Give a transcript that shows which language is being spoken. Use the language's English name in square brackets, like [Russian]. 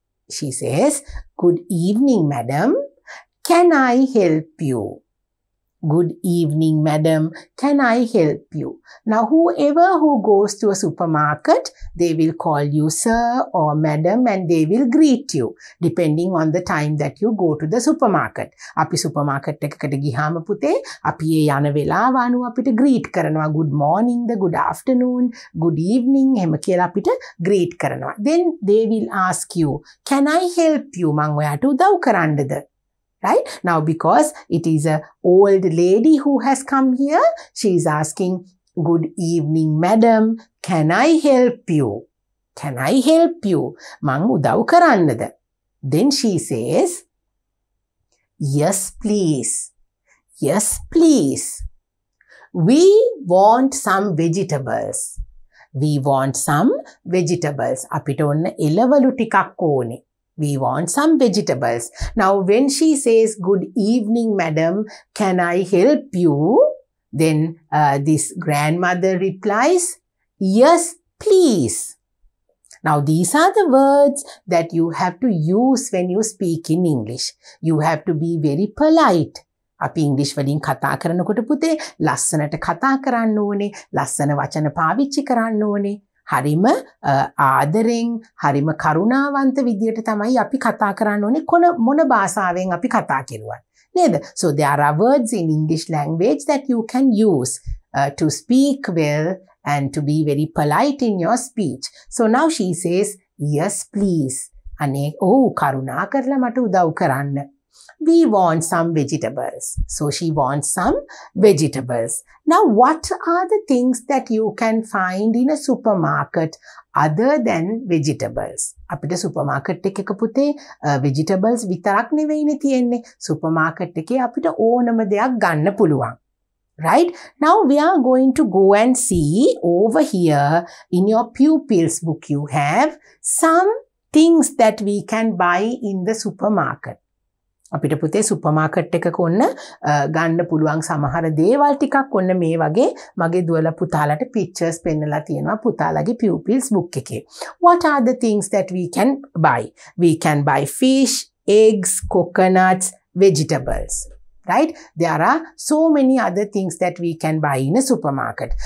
[English] She says, good evening, madam. Can I help you? Good evening, madam. Can I help you? Now, whoever who goes to a supermarket, they will call you sir or madam and they will greet you depending on the time that you go to the supermarket. [Sinhala] අපි supermarket එකකට ගිහාම පුතේ අපි ඒ යන වෙලාව අනුව අපිට greet කරනවා. [English] Good morning, the good afternoon, good evening [Sinhala] එහෙම කියලා අපිට greet කරනවා. [English] Then they will ask you, can I help you? [Sinhala] මං ඔයාට උදව් කරන්නද? [English] Right? Now, because it is an old lady who has come here, she is asking, good evening, madam. Can I help you? Can I help you? [Sinhala] Man udaw karannada. [English] Then she says, yes, please. Yes, please. We want some vegetables. We want some vegetables. [Sinhala] Apitonna elavalu tikak one. [English] We want some vegetables. Now, when she says, good evening, madam, can I help you? Then this grandmother replies, yes, please. Now, these are the words that you have to use when you speak in English. You have to be very polite. [Sinhala] අපි ඉංග්‍රීසි වලින් කතා කරනකොට පුතේ ලස්සනට කතා කරන්න ඕනේ, ලස්සන වචන පාවිච්චි කරන්න ඕනේ. හරිම ආදරෙන්, හරිම කරුණාවන්ත විදියට තමයි අපි කතා කරන්න ඕනේ කොන මොන භාෂාවෙන් අපි කතා කරුවත්. නේද? [English] So there are words in English language that you can use to speak well and to be very polite in your speech. So now she says, "Yes, please." [Sinhala] අනේ, "ඔව්, කරුණා කරලා මට උදව් කරන්න." [English] We want some vegetables. So she wants some vegetables. Now, what are the things that you can find in a supermarket other than vegetables? [Sinhala] අපිට supermarket එකක පුතේ vegetables විතරක් නෙවෙයිනේ තියෙන්නේ. Supermarket එකේ අපිට ඕනම දෙයක් ගන්න පුළුවන්. [English] Right? Now, we are going to go and see over here in your pupils book you have some things that we can buy in the supermarket. [Sinhala] අපිට පුතේ සුපර් මාකට් එකක ඔන්න ගන්න පුළුවන් සමහර දේවල් ටිකක් ඔන්න මේ වගේ මගේ දුවල පුතාලට පිච්චර්ස් පෙන්නලා තියෙනවා පුතාලගේ pupils book එකේ. [English] What are the things that we can buy? We can buy fish, eggs, coconuts, vegetables. Right? There are so many other things that we can buy in a supermarket.